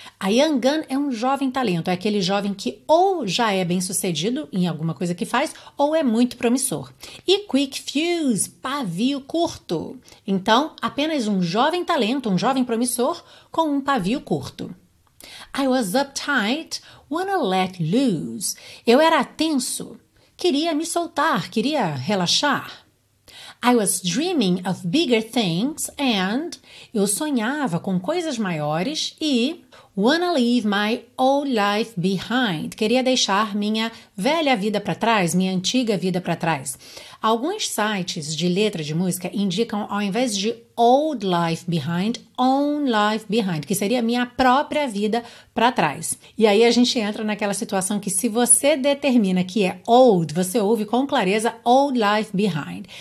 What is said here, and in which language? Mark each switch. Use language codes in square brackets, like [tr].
[pt] A young gun é um jovem talento, é aquele jovem que ou já é bem sucedido em alguma coisa que faz, ou é muito promissor. E quick fuse, pavio curto. Então, apenas um jovem talento, um jovem promissor com um pavio curto. [en] I was uptight, wanna let loose. [pt] Eu era tenso, queria me soltar, queria relaxar. [en] I was dreaming of bigger things and [pt] eu sonhava com coisas maiores [en] e wanna leave my old life behind. [pt] Queria deixar minha velha vida para trás, minha antiga vida para trás. Alguns sites de letra de música indicam, ao invés de old life behind, own life behind, que seria minha própria vida para trás. E aí a gente entra naquela situação que, se você determina que é old, você ouve com clareza old life behind.